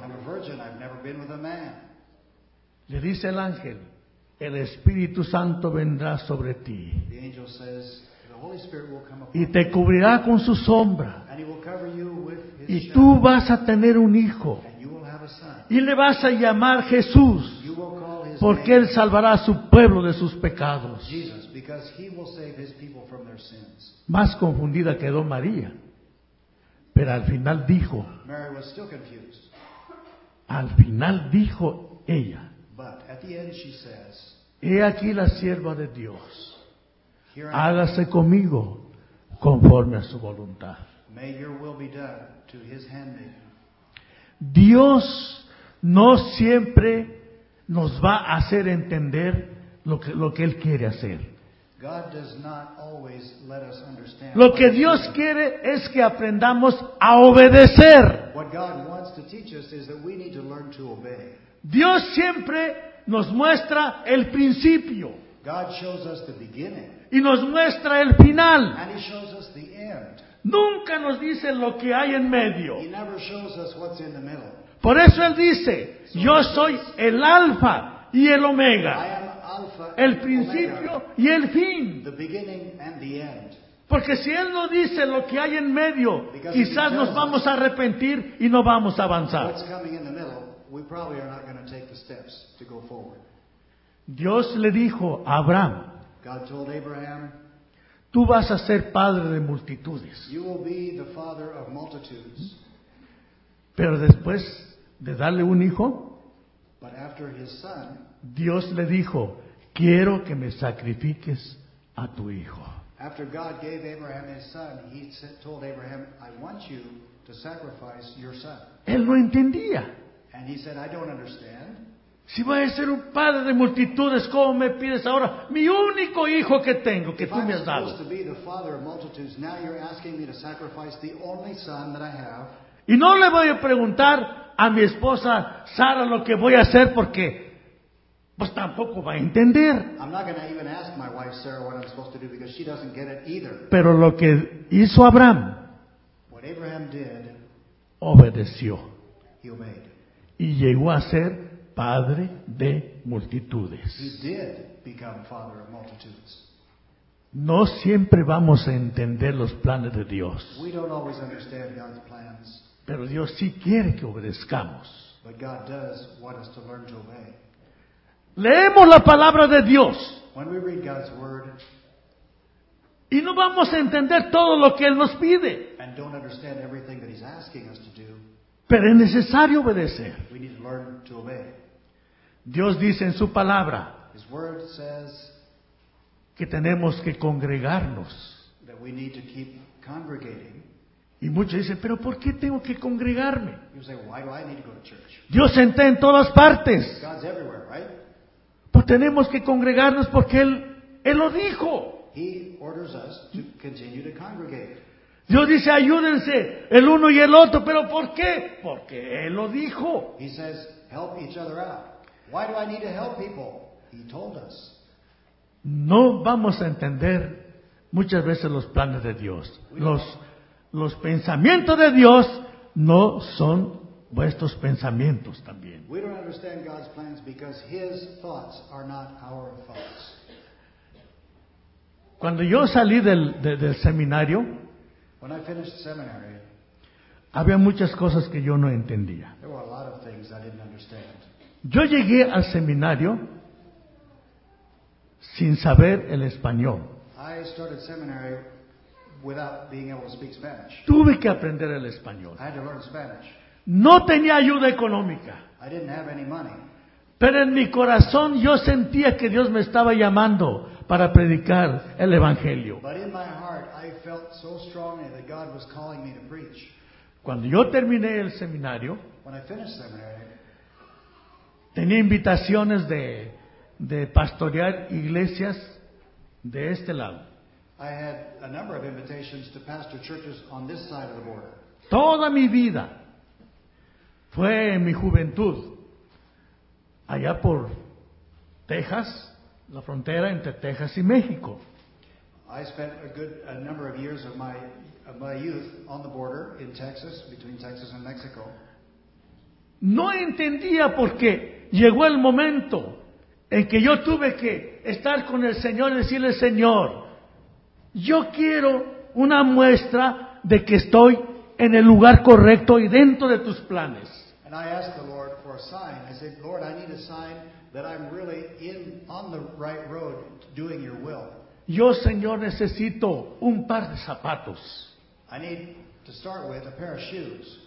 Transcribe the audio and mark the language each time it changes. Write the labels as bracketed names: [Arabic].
[English] I'm a virgin, I've never been with a man. [Spanish] Le dice el ángel, el Espíritu Santo vendrá sobre ti. [English] The angel says, the Holy Spirit will come upon [Spanish] y te cubrirá [English] you. [Spanish] Con su sombra. [English] And he will cover you with his [Spanish] y tú [English] shadow. [Spanish] Vas a tener un hijo. [English] And you will have a son. [Spanish] Y le vas a llamar Jesús. [English] You will call his [Spanish] porque [English] name. [Spanish] Él salvará a su pueblo de sus pecados. [English] Jesus, because he will save his people from their sins. [Spanish] Más confundida quedó María. Pero al final dijo. [English] Mary was still confused. [Spanish] Al final dijo ella. [English] But at the end she says, [Spanish] he aquí la sierva de Dios. Hágase conmigo conforme a su voluntad. [English] May your will be done to his handmaiden. [Spanish] Dios no siempre nos va a hacer entender lo que Él quiere hacer. [English] God does not always let us understand. [Spanish] Lo que Dios quiere es que aprendamos a obedecer. [English] What God wants to teach us is that we need to learn to obey. [Spanish] Dios siempre nos muestra el principio. [English] God shows us the beginning. [Spanish] Y nos muestra el final. [English] And he shows us the end. [Spanish] Nunca nos dice lo que hay en medio. [English] He never shows us what's in the middle. [Spanish] Por eso Él dice, so yo soy el Alfa y el Omega. [English] I am Alpha [Spanish] el principio [English] Omega, [Spanish] y el fin. [English] The beginning and the end. [Spanish] Porque si Él no dice lo que hay en medio, [English] because [Spanish] quizás nos vamos a arrepentir y no vamos a avanzar. [English] What's coming in the middle. We probably are not going to take the steps to go forward. [Spanish] Dios le dijo a Abraham, [English] God told Abraham, [Spanish] tú vas a ser padre de multitudes. [English] You will be the father of multitudes. [Spanish] Pero después de darle un hijo, [English] but after his son, [Spanish] Dios le dijo, quiero que me sacrifiques a tu hijo. [English] After God gave Abraham his son, he told Abraham, I want you to sacrifice your son. [Spanish] Él no entendía. [English] And he said, I don't understand. [Spanish] Si voy a ser un padre de multitudes, ¿cómo me pides ahora mi único hijo que tengo, que [English] if [Spanish] tú me has dado? [English] To be the father of multitudes, now you're asking me to sacrifice the only son that I have. [Spanish] Y no le voy a preguntar a mi esposa Sara lo que voy a hacer porque pues tampoco va a entender. [English] I'm not going to even ask my wife Sarah what I'm supposed to do because she doesn't get it either. [Spanish] Pero lo que hizo Abraham, [English] what Abraham did, [Spanish] obedeció. [English] He obeyed. [Spanish] Y llegó a ser padre de multitudes. [English] He did become father of multitudes. [Spanish] No siempre vamos a entender los planes de Dios. [English] We don't always understand God's plans. [Spanish] Pero Dios sí quiere que obedezcamos. [English] But God does want us to learn to obey. [Spanish] Leemos la palabra de Dios. [English] When we read God's word, [Spanish] y no vamos a entender todo lo que Él nos pide. [English] And don't understand everything that He's asking us to do. [Spanish] Pero es necesario obedecer. [English] We need to learn to obey. [Spanish] Dios dice en su palabra, [English] His word says, [Spanish] que tenemos que congregarnos. [English] That we need to keep congregating. [Spanish] Y muchos dicen, ¿pero por qué tengo que congregarme? [English] You say, why do I need to go to church? [Spanish] Dios está en todas partes. [English] God's everywhere, right? [Spanish] Pues tenemos que congregarnos porque Él lo dijo. [English] He orders us to continue to congregate. [Spanish] Dios dice, ayúdense el uno y el otro. ¿Pero por qué? Porque Él lo dijo. [English] He says, help each other out. Why do I need to help people? He told us. [Spanish] No vamos a entender muchas veces los planes de Dios. Los pensamientos de Dios no son vuestros pensamientos también. [English] We don't understand God's plans because His thoughts are not our thoughts. [Spanish] Cuando yo salí del seminario, [English] when I finished seminary, [Spanish] había muchas cosas que yo no entendía. [English] There were a lot of things I didn't understand. [Spanish] Yo llegué al seminario sin saber el español. [English] I started seminary without being able to speak Spanish. [Spanish] Tuve que aprender el español. [English] I had to learn Spanish. [Spanish] No tenía ayuda económica. [English] I didn't have any money. [Spanish] Pero en mi corazón yo sentía que Dios me estaba llamando para predicar el Evangelio. [English] But in my heart, I felt so strongly that God was calling me to preach. [Spanish] Cuando yo terminé el seminario, [English] when I finished seminary, [Spanish] tenía invitaciones de pastorear iglesias de este lado. [English] I had a number of invitations to pastor churches on this side of the border. [Spanish] Toda mi vida fue en mi juventud allá por Texas, la frontera entre Texas y México. [English] I spent a number of years of my youth on the border in Texas, between Texas and Mexico. [Spanish] No entendía por qué llegó el momento en que yo tuve que estar con el Señor y decirle, Señor, yo quiero una muestra de que estoy en el lugar correcto y dentro de tus planes. [English] And I asked the Lord for a sign. I said, Lord, I need a sign that I'm really on the right road doing your will. [Spanish] Yo, Señor, necesito un par de zapatos. [English] I need to start with a pair of shoes.